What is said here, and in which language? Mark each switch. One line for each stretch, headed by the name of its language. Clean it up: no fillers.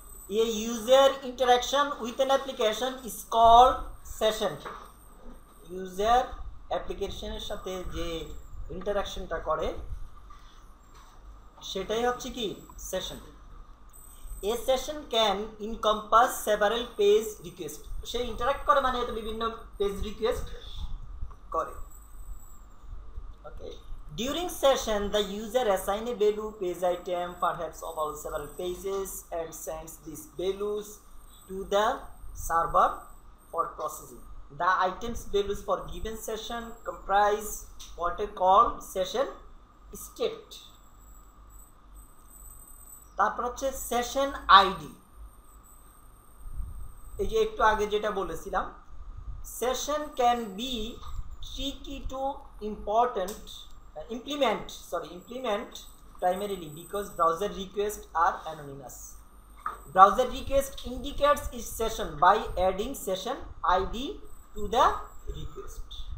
English: A user interaction with an application is called session.
Bangla: User application এর সাথে যে ইন্টারঅ্যাকশনটা করে সেটাই হচ্ছে কি session.
English: a session can encompass several page request,
Bangla: say interact করে মানে এটা বিভিন্ন পেজ রিকোয়েস্ট করে।
English: Okay, during session the user assign a value page item perhaps of all several pages and sends this values to the server for processing. The items values for given session comprise what is called session state.
Bangla: তারপর হচ্ছে session ID। এই যে একটু আগে যেটা বলেছিলাম,
English: session can be tricky to important implement primarily because browser requests are anonymous. Browser request indicates each session by adding session ID to the request.